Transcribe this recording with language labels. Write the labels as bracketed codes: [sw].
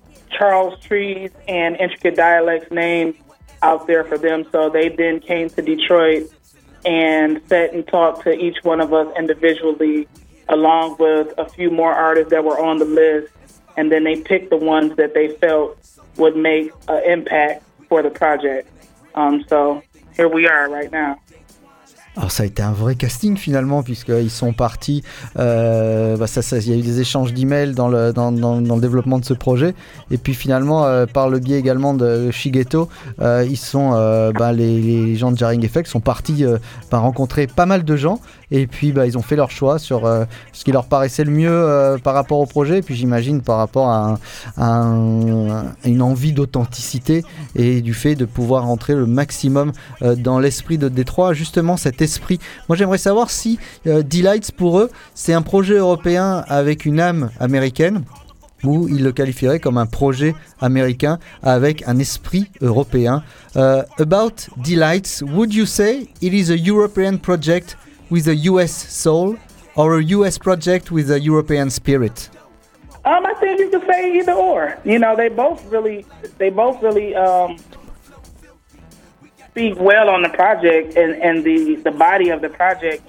[en] Charles Trees and Intricate Dialect's name out there for them, so they then came to Detroit and sat and talked to each one of us individually, along with a few more artists that were on the list, and then they picked the ones that they felt would make an impact for the project. So here we are right now. [fr] Alors ça a été un vrai casting finalement, puisqu'ils sont partis, il y a eu des échanges d'emails dans le développement de ce projet, et puis finalement par le biais également de Shigeto, les gens de Jarring Effect sont partis rencontrer pas mal de gens, et puis ils ont fait leur choix sur ce qui leur paraissait le mieux par rapport au projet, et puis j'imagine par rapport à une envie d'authenticité et du fait de pouvoir rentrer le maximum dans l'esprit de Détroit, justement cet esprit. Moi j'aimerais savoir si D-Lights pour eux c'est un projet européen avec une âme américaine, ou ils le qualifieraient comme un projet américain avec un esprit européen. [en] About D-Lights, would you say it is a European project with a US soul, or a US project with a European spirit? I think you could say either or. You know, they both really speak well on the project and the body of the project.